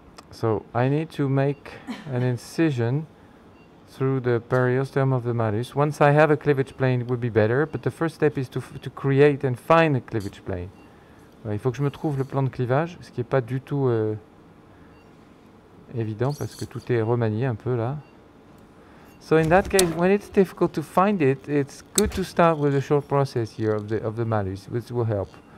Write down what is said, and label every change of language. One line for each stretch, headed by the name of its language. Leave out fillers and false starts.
English: So I need to make an incision through the periosteum of the malleus. Once I have a cleavage plane, it would be better. But the first step is to create and find a cleavage plane.
French: Il faut que je me trouve le plan de clivage, ce qui n'est pas du tout évident parce que tout est remanié un peu là.
English: So in that case, when it's difficult to find it, it's good to start with a short process here of the malleus, which will help.